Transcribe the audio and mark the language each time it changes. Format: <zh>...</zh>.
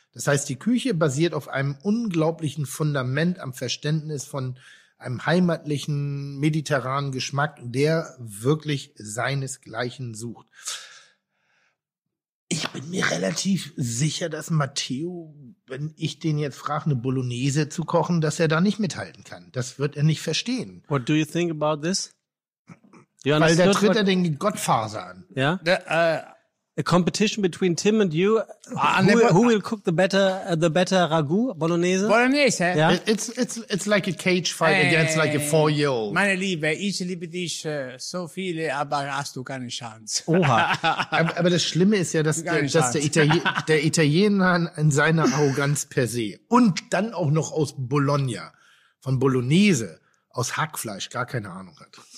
<de>Das heißt, die Küche basiert auf einem unglaublichen Fundament am Verständnis von einem heimatlichen mediterranen Geschmack, der wirklich seinesgleichen sucht. Ich bin mir relativ sicher, dass Matteo, wenn ich den jetzt frage, eine Bolognese zu kochen, dass er da nicht mithalten kann. Das wird er nicht verstehen.</de> <en>What do you think about this?</en> <de>Weil da tritt er den Godfather an. Ja?</de> <en>a competition between Tim and you. Who will cook the better ragu bolognese? Bolognese, eh? Yeah. It's like a cage fight against like a 4-year-old.</en> <de>Meine Liebe, ich liebe dich so viele, aber hast du keine Chance. Oha. Aber das Schlimme ist ja, dass der Italiener in seiner Arroganz per se und dann auch noch aus Bologna, von Bolognese, aus Hackfleisch gar keine Ahnung hat.</de>